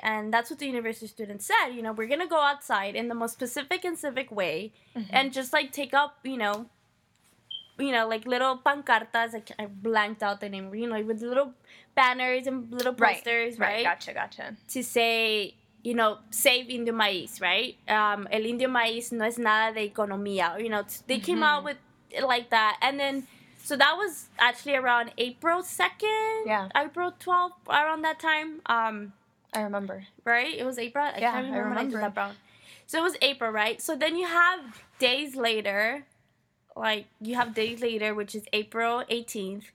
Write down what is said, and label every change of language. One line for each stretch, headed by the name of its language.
English: And that's what the university student said. You know, we're going to go outside in the most specific and civic way, mm-hmm. and just, like, take up, you know, like, little pancartas. Like, I blanked out the name. You know, like, with little banners and little posters, right? Gotcha. To say, you know, save Indio Maíz, right?
Spanish: El Indio Maíz no es nada de economía.
English: You know, they came out with it like that. And then, so that was actually around April 2nd, yeah. April 12th, around that time. I remember. Right? It was April? I can't remember when I did that, bro. So it was April, right? So then you have days later, which is April 18th,